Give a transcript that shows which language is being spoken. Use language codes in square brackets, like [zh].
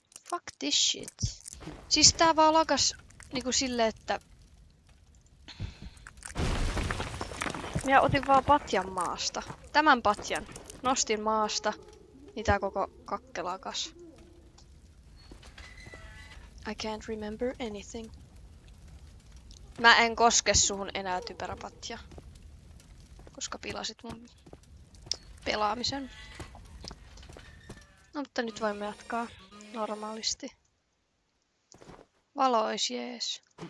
[en] Fuck this shit. [fi] Siis tää vaan lakas niinku silleen, että... Mä otin vaan patjan maasta. Tämän patjan. Nostin maasta. Niin tää koko kakkelakas. [en] I can't remember anything. [fi] Mä en koske suhun enää, typerä patja. Koska pilasit mun pelaamisen. No mutta nyt voimme jatkaa normaalisti. Valo ois jees.